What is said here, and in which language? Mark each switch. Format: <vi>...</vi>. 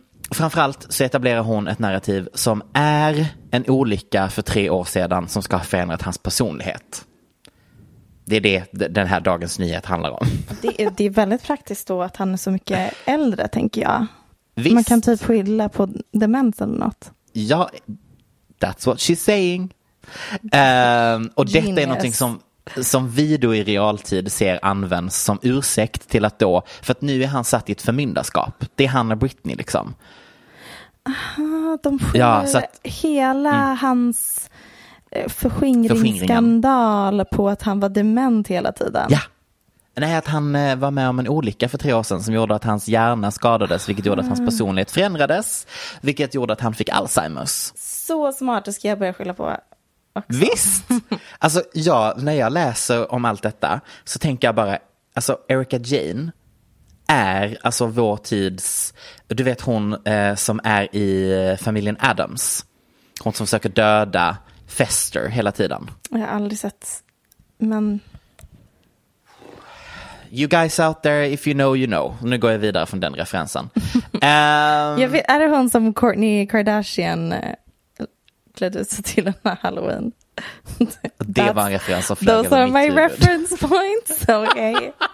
<sv>Framförallt så etablerar hon ett narrativ som är en olycka för 3 år sedan som ska ha förändrat hans personlighet. Det är det den här dagens nyhet handlar om. Det är väldigt praktiskt då att han är så mycket äldre, tänker jag. Visst. Man kan typ skilja på demens eller något.</sv> <en>Ja, that's what she's saying.</en> <sv>Och detta är någonting som vi då i realtid ser används som ursäkt till att då, för att nu är han satt i ett förmyndarskap. Det är han och Britney liksom. De skiljer hans förskingringsskandal på att han var dement hela tiden. Ja. Nej, att han var med om en olycka för 3 år sedan som gjorde att hans hjärna skadades, vilket gjorde att hans personlighet förändrades, vilket gjorde att han fick Alzheimers. Så smart, det ska jag börja skylla på också. Visst! Alltså, ja, när jag läser om allt detta så tänker jag bara, alltså Erika Jane är alltså vår tids, du vet hon som är i familjen Adams. Hon som försöker döda Fester hela tiden. Jag har aldrig sett, men...</sv> <en>You guys out there, if you know, you know.</en> <sv>Nu går jag vidare från den referensen. Jag vet, är det hon som Kourtney Kardashian klädde sig till den här Halloween? Det var en referens som flög.</sv> <en>Those are my reference points, okay.</en>